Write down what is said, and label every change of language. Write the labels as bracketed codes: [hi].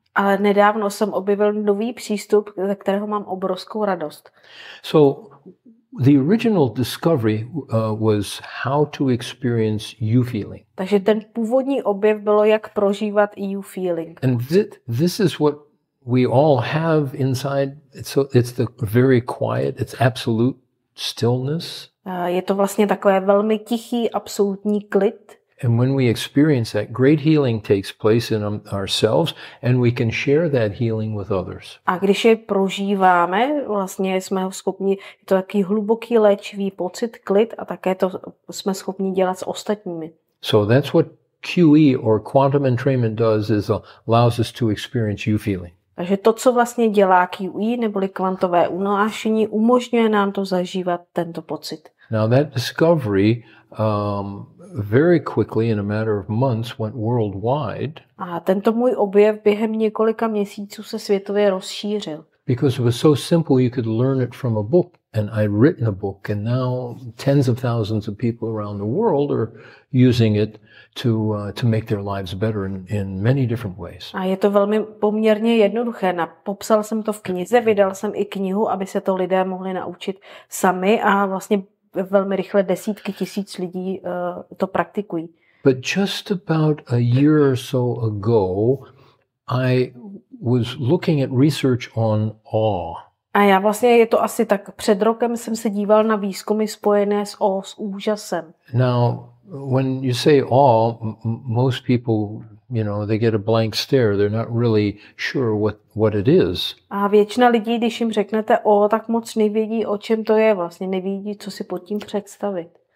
[cs] Ale nedávno jsem objevil nový přístup, ze kterého mám obrovskou radost. [en] So the original discovery was how to experience you feeling. [cs] Takže ten původní objev bylo, jak prožívat you feeling. [en] And this is what we all have inside. It's the very quiet, it's absolute stillness. [cs] Je to vlastně takové velmi tichý, absolutní klid. [en] And when we experience that, great healing takes place in ourselves, and we can share that healing with others. [cs] A když je prožíváme, vlastně jsme schopni, je to takový hluboký léčivý pocit, klid, a také to jsme schopni dělat s ostatními. [en] So that's what QE or quantum entrainment does, is allows us to experience you feeling. [cs] Takže to, co vlastně dělá QE, neboli kvantové unášení, umožňuje nám to zažívat, tento pocit. [en] Now that discovery very quickly, in a matter of months, went worldwide. [cs] A tento můj objev během několika měsíců se světově rozšířil. [en] Because it was so simple, you could learn it from a book, and I'd written a book, and now tens of thousands of people around the world are using it to make their lives better in many different ways. [cs] A je to velmi poměrně jednoduché. Popsal jsem to v knize, vydal jsem i knihu, aby se to lidé mohli naučit sami, a vlastně velmi rychle desítky tisíc lidí to praktikují. [en] But just about a year or so ago, I was looking at research on awe. [cs] A já vlastně, je to asi tak, před rokem jsem se díval na výzkumy spojené s awe, s úžasem. [en] Now, when you say awe, most people, you know, they get a blank stare. They're not really sure what it is. [cs] A většina lidí, když jim řeknete o, tak moc nevědí, o čem to je, vlastně nevědí, co si pod tím představit.